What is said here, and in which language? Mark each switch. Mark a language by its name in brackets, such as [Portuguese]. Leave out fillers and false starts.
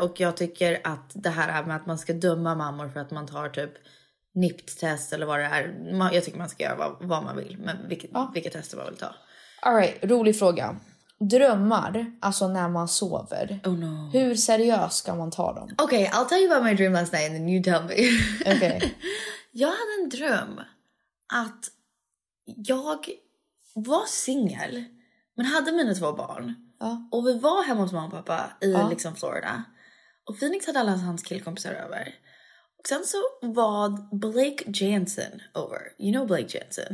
[Swedish] Och jag tycker att det här med att man ska döma mammor för att man tar typ... NIPT-test eller vad det är. Jag tycker man ska göra vad man vill. Men vilka tester man vill ta. [English] All right, [Swedish] rolig fråga. Drömmar, alltså när man sover. [English] Oh no. [Swedish] Hur seriöst ska man ta dem? [English] Okay, I'll tell you about my dream last night and then you tell me. Okay. [Swedish] Jag hade en dröm att jag var singel. Men hade mina två barn. Och vi var hemma hos mamma och pappa i liksom Florida. Och Phoenix hade alla hans killkompisar över. Sen så var Blake Jansen over. [English] You know Blake Jansen?